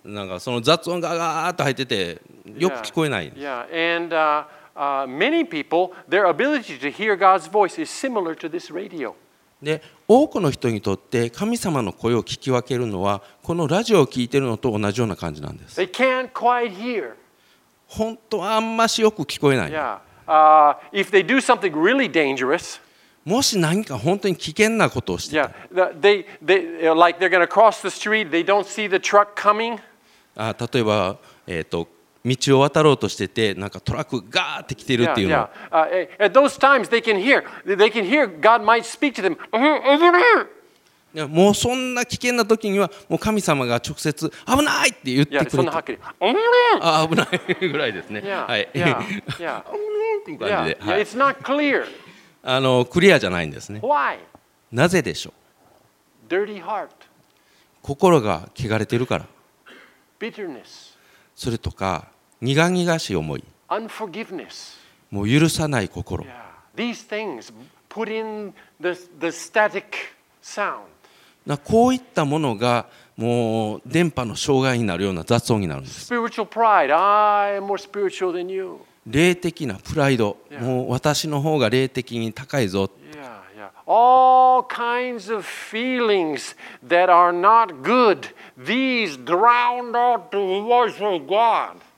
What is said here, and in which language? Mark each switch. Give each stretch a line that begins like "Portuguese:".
Japanese: なんかその雑音がガーッと入っててよく聞こえない。
English: Yeah, and many people, their ability to hear God's voice is similar to this radio.
Japanese: で多くの人にとって神様の声を聞き分けるのはこのラジオを聞いているのと同じような感じなんです。
English: They can't quite hear.
Japanese: 本当はあんましよく聞こえない。
English: Yeah. If they do something really dangerous,
Japanese: もし何か本当に危険なことをしてた。
English: Yeah. They like they're going to cross the street. They don't see the truck coming.
Japanese: 例えば道を渡ろうとしててなんかトラックがガーって来てるっていうの。
English: At those times they can hear. They can hear God might speak to them. Over there.
Japanese: もうそんな危険な時にはもう神様が直接危ないって言ってくれて。そんなはっきり。
English: Over there.
Japanese: 危ないぐらいですね。
English: Yeah.
Japanese: はい。
English: Yeah.
Japanese: ていう感じで、
English: yeah.
Japanese: はい、
English: It's not clear.
Japanese: クリアじゃないんですね。
English: Why?
Japanese: なぜでしょう。
English: Dirty heart.
Japanese: 心が汚れてるから。
English: Bitterness.
Japanese: それとか苦々しい思い。
English: Unforgiveness.
Japanese: もう許さない心。
English: Yeah. These things put in the static sound.
Japanese: なこういったものがもう電波の障害になるような雑音になるんです。
English: Spiritual pride. I am more spiritual than you.
Japanese: 霊的なプライド、もう私の方が霊的に高いぞ。
English: All kinds of feelings that are not good, these drown out the voice of God.